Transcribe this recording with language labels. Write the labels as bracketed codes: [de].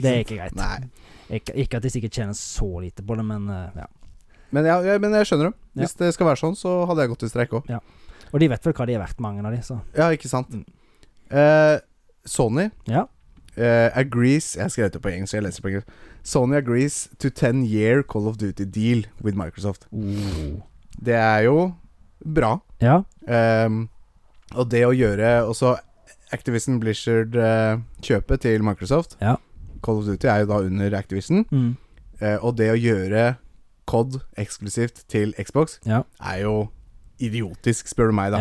[no] sant? Det er ikke greit. Nei. Ikke at de sikkert tjener så lite på det, men ja. Men ja, men jeg skjønner det. Hvis det skal være sånn, så hadde jeg gått i streik også. Ja, og de vet vel hva de er verdt, mange av de, så. Ja, ikke sant? Sony. Ja. Agrees, jeg skrev det på engelsk, så jeg leser på engelsk. [en] Sony agrees to 10-year Call of Duty deal with Microsoft. [no] Det er jo bra. Ja. Og det å gjøre også Activision Blizzard kjøpet til Microsoft. Ja. Call of Duty er jo da under Activision. Mm. Og det å gjøre COD eksklusivt til Xbox. Ja. Er jo idiotisk, spør du meg da.